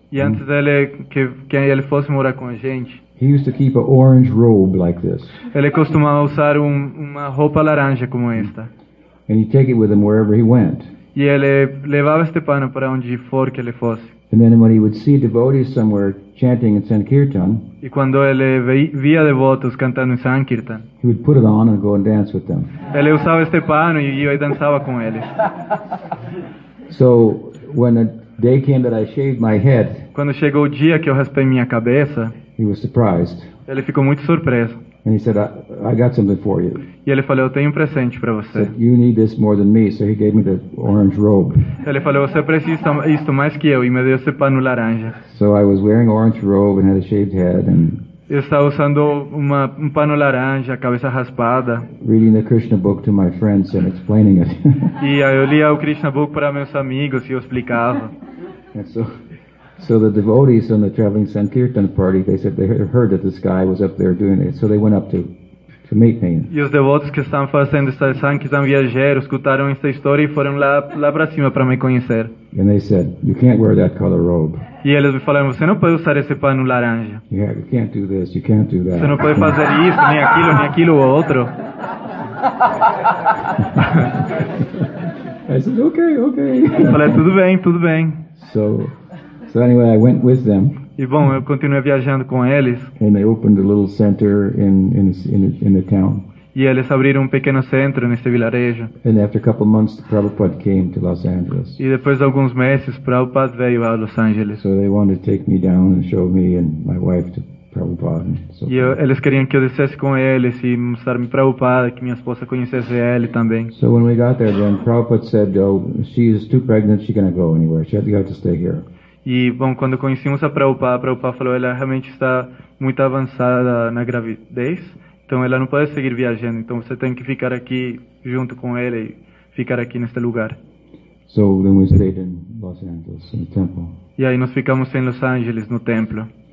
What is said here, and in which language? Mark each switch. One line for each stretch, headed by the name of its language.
Portuguese: E antes dele que ele fosse morar com a gente.
English: He used to keep an orange robe like this.
Portuguese: Ele costumava usar uma roupa laranja como esta.
English: And he'd take it with him wherever he went.
Portuguese: E ele levava este pano para onde for que ele fosse.
English: And then when he would see devotees somewhere chanting in Sankirtan.
Portuguese: E quando ele via devotos cantando em Sankirtan.
English: He would put it on and go and dance with them.
Portuguese: Ele usava este pano e ia dançava com eles.
English: So when day came that I shaved my head.
Portuguese: Quando chegou o dia que eu raspei minha cabeça,
English: he was surprised.
Portuguese: Ele ficou muito surpreso.
English: And he said, I got something for you.
Portuguese: E ele falou, eu tenho um presente para você.
English: Said, you need this more than me, so he gave me the orange robe.
Portuguese: Ele falou, você precisa isto mais que eu, e me deu esse pano laranja.
English: So I was wearing orange robe and had a shaved head and.
Portuguese: Eu estava usando um pano laranja, cabeça raspada.
English: Reading the Krishna book to my friends and explaining it.
Portuguese: E aí eu lia o Krishna book para meus amigos e eu explicava.
English: So the devotees on the traveling Sankirtan party, they said they heard that this guy was up there doing it, so they went up to meet me.
Portuguese: E os devotos que estavam fazendo esta Sankirtan viajero escutaram esta história e foram lá para cima para me conhecer.
English: And they said, "You can't wear that color robe."
Portuguese: E eles me falaram, você não pode usar esse pano laranja.
English: Yeah, you can't do this, you can't do that.
Portuguese: Você não pode fazer isso, nem aquilo ou outro.
English: I said, okay.
Portuguese: Eu falei, tudo bem.
English: So anyway, I went with them.
Portuguese: E bom, eu continuei viajando com eles.
English: And they opened a little center in the town.
Portuguese: E eles abriram um pequeno centro neste vilarejo.
English: And after a couple of months, Prabhupada came to Los Angeles.
Portuguese: E depois de alguns meses, Prabhupada veio a Los Angeles.
English: So they wanted to take me down and show me and my wife to Prabhupada. And so
Portuguese: e eles queriam que eu descesse com eles e mostrar-me Prabhupada, que minha esposa conhecesse ele também.
English: So when we got there, then Prabhupada said, "Oh, she is too pregnant. She cannot go anywhere. She has to stay here."
Portuguese: E bom, quando conhecemos a Prabhupada falou, ela realmente está muito avançada na gravidez. Então ela não pode seguir viajando, então você tem que ficar aqui junto com ela e ficar aqui neste lugar.
English: So then we stayed in Los Angeles, in the temple.
Portuguese: E aí nós ficamos em Los Angeles, no templo.